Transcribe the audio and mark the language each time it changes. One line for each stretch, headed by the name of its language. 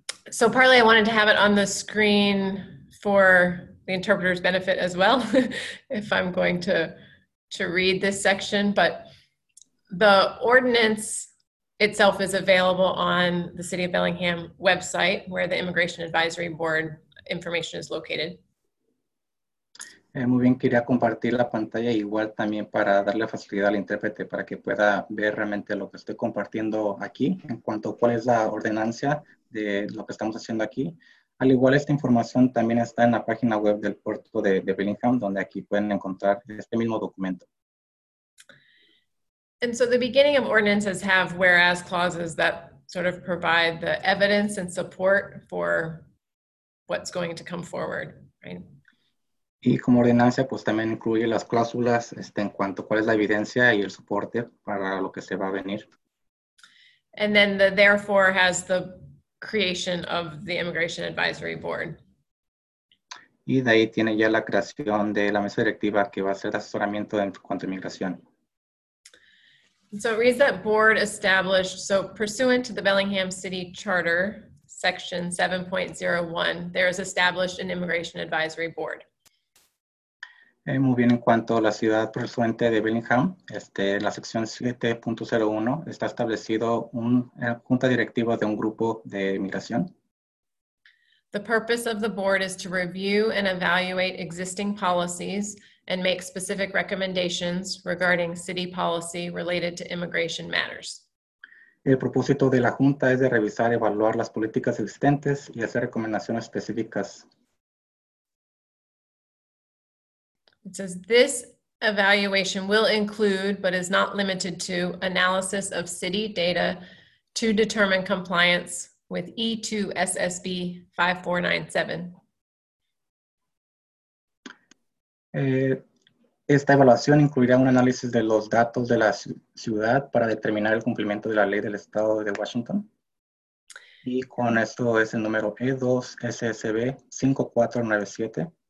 English: So partly I wanted to have it on the screen for the interpreter's benefit as well, if I'm going to read this section, but the ordinance itself is available on the City of Bellingham website where the Immigration Advisory Board information is located.
Spanish: Muy bien, quería compartir la pantalla igual también para darle facilidad al intérprete para que pueda ver realmente lo que estoy compartiendo aquí en cuanto a cuál es la ordenancia de lo que estamos haciendo aquí. Al igual, esta información también está en la página web del puerto de Bellingham, donde aquí pueden encontrar este mismo documento.
English: And so the beginning of ordinances have whereas clauses that sort of provide the evidence and support for what's going to come forward, right?
Spanish: Y como ordenanza, pues también incluye las cláusulas en cuanto a cuál es la evidencia y el soporte para lo que se va a venir.
English: And then the therefore has the creation of the Immigration Advisory Board.
Spanish: Y de ahí tiene ya la creación de la mesa directiva que va a ser asesoramiento en cuanto a inmigración.
English: So it reads that board established, so pursuant to the Bellingham City Charter, section 7.01, there is established an Immigration Advisory Board.
Spanish: Muy bien, en cuanto a la ciudad pursuante de Bellingham, la sección 7.01 está establecido una junta directiva de un grupo de inmigración.
English: The purpose of the board is to review and evaluate existing policies and make specific recommendations regarding city policy related to immigration matters.
Spanish: El propósito de la junta es de revisar y evaluar las políticas existentes y hacer recomendaciones específicas.
English: It says this evaluation will include, but is not limited to, analysis of city data to determine compliance with E2 SSB 5497.
Spanish: Esta evaluación incluirá un análisis de los datos de la ciudad para determinar el cumplimiento de la ley del estado de Washington. Y con esto es el número E2 SSB 5497.